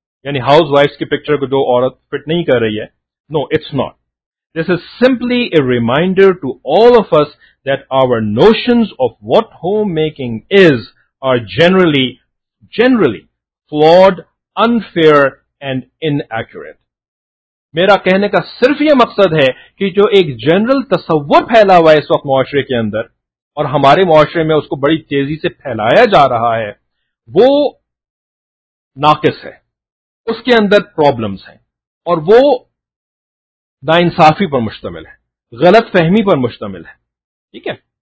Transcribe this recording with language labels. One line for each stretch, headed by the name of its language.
Urdu: یعنی house wives کی picture کو جو عورت فٹ نہیں کر رہی ہے,
English: No it's not. This is simply a reminder to all of us that our notions of what homemaking is are generally flawed, unfair and inaccurate.
Urdu: میرا کہنے کا صرف یہ مقصد ہے کہ جو ایک جنرل تصور پھیلا ہوا ہے اس وقت معاشرے کے اندر, اور ہمارے معاشرے میں اس کو بڑی تیزی سے پھیلایا جا رہا ہے, وہ ناقص ہے, اس کے اندر پرابلمز ہیں اور وہ ناانصافی پر مشتمل ہے, غلط فہمی پر مشتمل ہے, ٹھیک ہے.